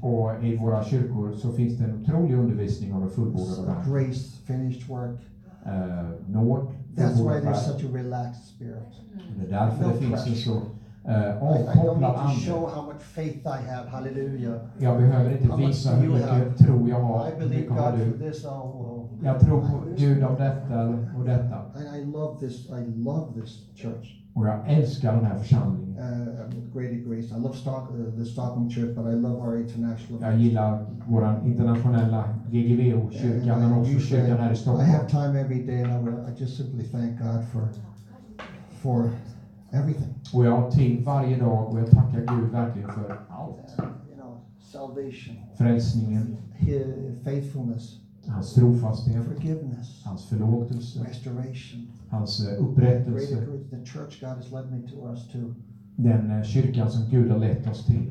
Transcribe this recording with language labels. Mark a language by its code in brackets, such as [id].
[sv] Och i våra kyrkor så finns det en otrolig undervisning om det fullbordade verket. [en] Grace, finished work. [sv] Nåd. [en] That's why there's such a relaxed spirit. [sv] Det är därför det finns en så avkopplad ande. [en] I don't need to show how much faith I have. Hallelujah. [sv] Jag behöver inte visa hur mycket tro jag har. [en] I believe God for this. [sv] Jag tror på Gud om detta och detta. [en] I love this church. [sv] Och jag älskar den här församlingen. [en] With greater grace. I love the Stockholm church, but I love our international. [sv] Jag gillar vår internationella GGVO-kyrka, men också kyrkan här i Stockholm. [en] I have time every day, and I just simply thank God for everything. [sv] Och jag har tid varje dag, och jag tackar Gud verkligen för allt. [en] Salvation. [sv] Frälsningen. [en] Faithfulness. [sv] Hans trofasthet. [en] Forgiveness. [sv] Hans förlåtelse. [en] Restoration. [sv] Hans upprättelse. [en] The church God has led me to us too. [sv] Den kyrkan som Gud har lett oss till.